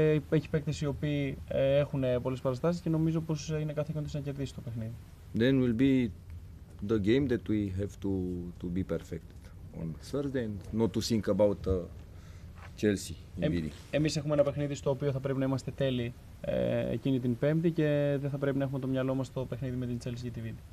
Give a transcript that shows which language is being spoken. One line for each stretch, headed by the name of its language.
Greek: Έχει παίκτες οι οποίοι έχουν πολλές παραστάσεις και νομίζω πως είναι καθήκον της να κερδίσει το παιχνίδι.
English: Then will be the game that we have to be perfect on Thursday and not to think about Chelsea.
Greek: Εμείς έχουμε ένα παιχνίδι στο οποίο θα πρέπει να είμαστε τέλειοι εκείνη την Πέμπτη και δεν θα πρέπει να έχουμε το μυαλό μας στο παιχνίδι με την Chelsea TV.